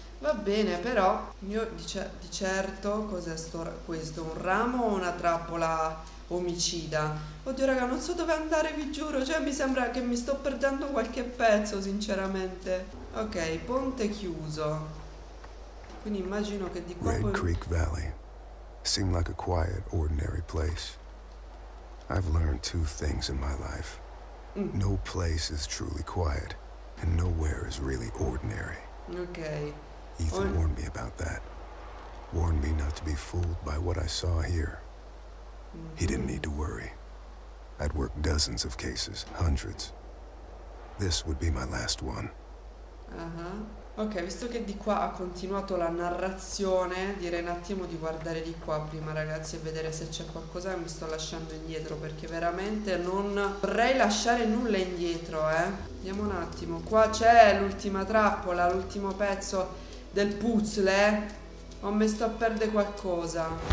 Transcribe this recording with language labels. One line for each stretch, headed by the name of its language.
Italian: Va bene, però io di certo, cos'è questo? Un ramo o una trappola omicida? Oddio raga, non so dove andare, vi giuro. Cioè mi sembra che mi sto perdendo qualche pezzo, sinceramente. Ok, ponte chiuso. Quindi immagino che di qua poi...
English: Red Creek Valley seemed like a quiet, ordinary place. I've learned two things in my life. No place is truly quiet, and nowhere is really ordinary. Okay. Ethan warned me about that. Warned me not to be fooled by what I saw here. He didn't need to worry. I'd worked dozens of cases, hundreds. This would be my last one.
Italian: Ok, visto che di qua ha continuato la narrazione, direi un attimo di guardare di qua prima, ragazzi, e vedere se c'è qualcosa che mi sto lasciando indietro, perché veramente non vorrei lasciare nulla indietro, eh. Andiamo un attimo, qua c'è l'ultima trappola, l'ultimo pezzo del puzzle, eh. Ho messo a perdere qualcosa.